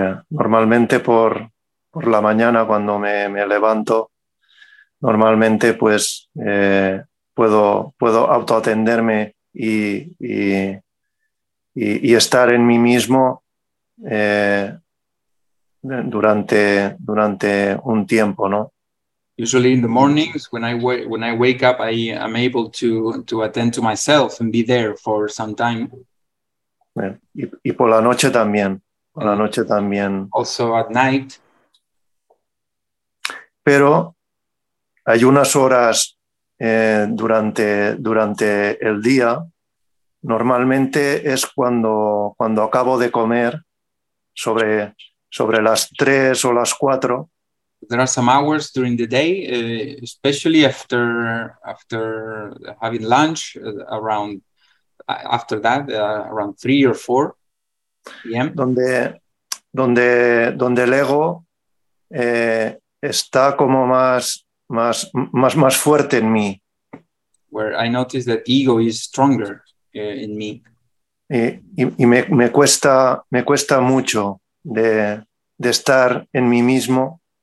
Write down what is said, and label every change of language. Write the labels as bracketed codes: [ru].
[es] Normalmente por la mañana cuando me levanto, normalmente pues puedo autoatenderme y estar en mí mismo durante un tiempo, ¿no? [en] Usually in the mornings when I wake up, I am able to attend to myself and be there for some time. [es] Y por la noche también. Por la noche también. [en] Also at night. [es] Pero hay unas horas durante el día. Normalmente es cuando acabo de comer, sobre las 3 o las 4. [en] There are some hours during the day, especially after having lunch, around 3 or 4 p.m. [es] Donde el ego está como más fuerte en mí. [en] Where I notice that ego is stronger in me. [es] Y me cuesta mucho de estar en mí mismo.